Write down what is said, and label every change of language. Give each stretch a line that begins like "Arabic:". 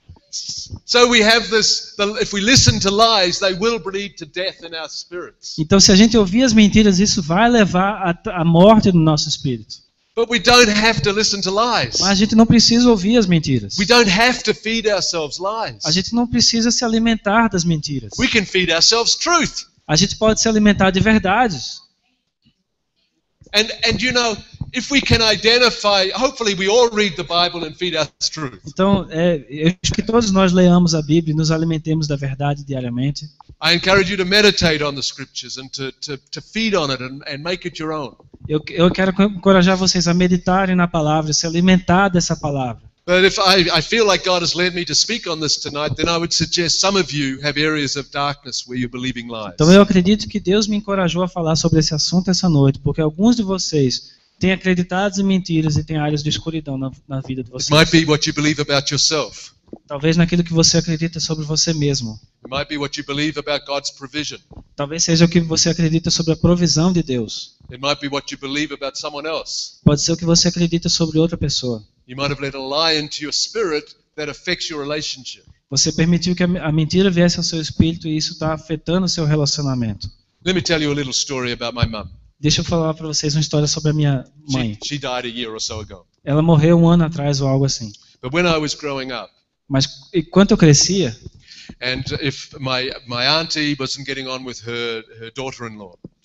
English: So we have this, if we listen to lies, they will lead to death in our spirits.
Portuguese: Então se a gente ouvir as mentiras, isso vai levar à morte no nosso espírito.
English: But we don't have to listen to lies.
Portuguese: Mas a gente não precisa ouvir as mentiras.
English: We don't have to feed ourselves lies.
Portuguese: A gente não precisa se alimentar das mentiras.
English: We can feed ourselves truth.
Portuguese: A gente pode se alimentar de verdades.
English: And you know, if we can identify, hopefully we all read the Bible and feed our truth.
Portuguese: Então, eu acho que todos nós leamos a Bíblia e nos alimentemos da verdade diariamente.
English: I encourage you to meditate on the scriptures and to feed on it and make it your own.
Portuguese: Eu quero encorajar vocês a meditarem na palavra, se alimentar dessa palavra.
English: But if I feel like God has led me to speak on this tonight, then I would suggest some of you have areas of darkness where you're believing lies.
Portuguese: Então eu acredito que Deus me encorajou a falar sobre esse assunto essa noite, porque alguns de vocês tem acreditados em mentiras e tem áreas de escuridão na vida de vocês.
English: It might be what you believe about yourself.
Portuguese: Talvez naquilo que você acredita sobre você mesmo.
English: It might be what you believe about God's provision.
Portuguese: Talvez seja o que você acredita sobre a provisão de Deus.
English: It might be what you believe about someone else.
Portuguese: Pode ser o que você acredita sobre outra pessoa.
English: You might have let a lie into your spirit that affects your relationship.
Portuguese: Você permitiu que a mentira viesse ao seu espírito e isso está afetando o seu relacionamento.
English: Let me tell you a little story about my mom.
Portuguese: Deixa eu falar para vocês uma história sobre a minha mãe.
English: She died a year or so ago.
Portuguese: Ela morreu um ano atrás ou algo assim.
English: But when I was growing up,
Portuguese: mas enquanto eu crescia,
English: and if my auntie wasn't getting on with her daughter-in-law,